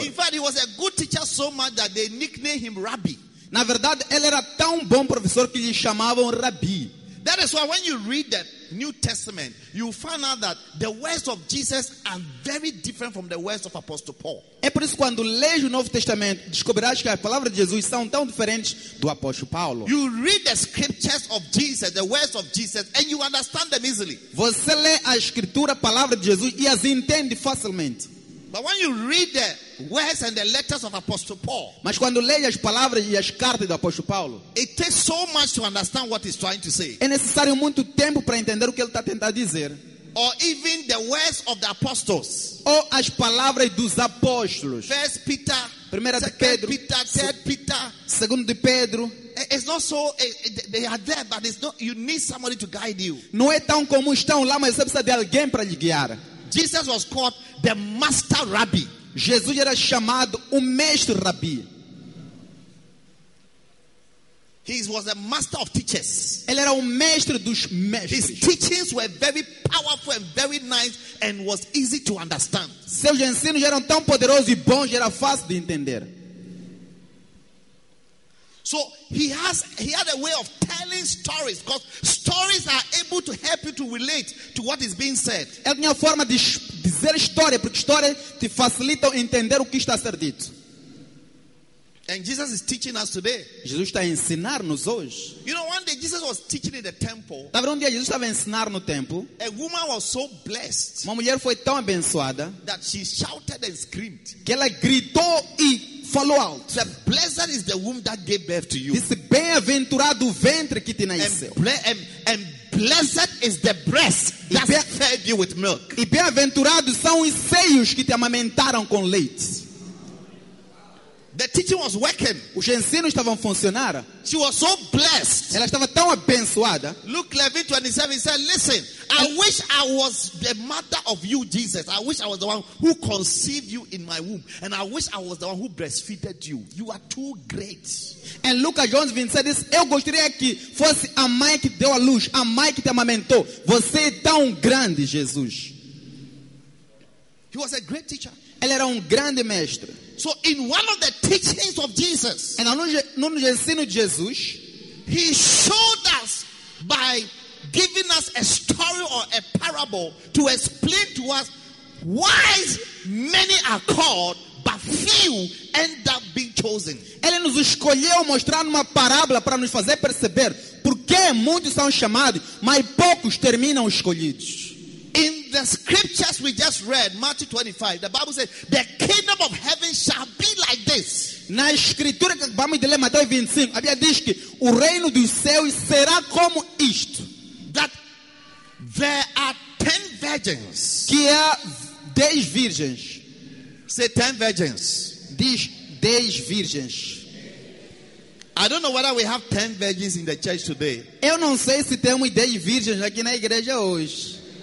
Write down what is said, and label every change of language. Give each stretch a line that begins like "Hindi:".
English: In fact, he was a good teacher so much that they nicknamed him Rabbi.
Portuguese: Na verdade, ele era tão bom professor que lhe chamavam Rabbi.
English: That is why when you read the New Testament, you find out that the words of Jesus are very different from the words of Apostle Paul.
Portuguese: É por isso que quando lês o Novo Testamento, descobrirás que as palavras de Jesus são tão diferentes do Apóstolo Paulo.
English: You read the scriptures of Jesus, the words of Jesus, and you understand them easily.
Portuguese: Você lê a escritura, a palavra de Jesus e as entende facilmente.
English: But when you read the words and the letters of Apostle Paul,
Portuguese: mas quando leia as palavras e as cartas do Apóstolo Paulo,
English: it takes so much to understand what he's trying to say.
Portuguese: É necessário muito tempo para entender o que ele está tentando dizer.
English: Or even the words of the apostles.
Portuguese: Ou as palavras dos apóstolos.
English: First Peter,
Portuguese: primeira de Pedro,
English: Peter, third Peter,
Portuguese: segundo de Pedro.
English: It's not so they are there, but it's not. You need somebody to guide you.
Portuguese: Não é tão comum estão lá, mas você precisa de alguém para lhe guiar.
English: Jesus was called the Master Rabbi.
Portuguese: Jesus era chamado o Mestre Rabbi.
English: He was a master of teachers.
Portuguese: Ele era o mestre dos mestres.
English: His teachings were very powerful and very nice and was easy to understand.
Portuguese: Seus ensinos eram tão poderosos e bons, era fácil de entender.
English: So he had a way of telling stories because stories are able to help you to relate to what is being said.
Portuguese: Ele tinha forma de dizer história porque história te facilita entender o que está a ser dito.
English: And Jesus is teaching us today.
Portuguese: Jesus está a ensinar-nos hoje.
English: You know, one day Jesus was teaching in the temple.
Portuguese: Tá vendo um dia Jesus estava a ensinar no templo.
English: A woman was so blessed.
Portuguese: Uma mulher foi tão abençoada
English: that she shouted and screamed.
Portuguese: Que ela gritou e falou alto.
English: The blessed is the womb that gave birth to you.
Portuguese: Disse, bem-aventurado o ventre que te nasceu.
English: And blessed is the breast that fed you with milk.
Portuguese: E bem-aventurados são os seios que te amamentaram com leite.
English: The teaching was working.
Portuguese: Os ensinos estavam a funcionar.
English: She was so blessed.
Portuguese: Ela estava tão abençoada.
English: Luke 11, 27 said, listen, I wish I was the mother of you, Jesus. I wish I was the one who conceived you in my womb. And I wish I was the one who breastfeeded you. You are too great. And Luke 11, said this,
Portuguese: eu gostaria que fosse a mãe que deu a luz, a mãe que te amamentou. Você é tão grande, Jesus.
English: He was a great teacher.
Portuguese: Ele era grande mestre.
English: So in one of the teachings of Jesus,
Portuguese: e no ensino de Jesus,
English: he showed us by giving us a story or a parable to explain to us why many are called but few end up being chosen.
Portuguese: Ele nos escolheu mostrando uma parábola para nos fazer perceber por que muitos são chamados, mas poucos terminam escolhidos.
English: In the the scriptures we just read, Matthew 25, the Bible says, the kingdom of heaven shall be like this.
Portuguese: Na escritura que vamos ler Mateus 25, a Bíblia diz que o reino dos céus será como isto.
English: That there are 10 virgins.
Portuguese: Que há 10 virgens.
English: Say 10 virgins.
Portuguese: Diz 10 virgins.
English: I don't know whether we have 10 virgins in the church today.
Portuguese: Eu não sei se temos 10 virgens aqui na igreja hoje.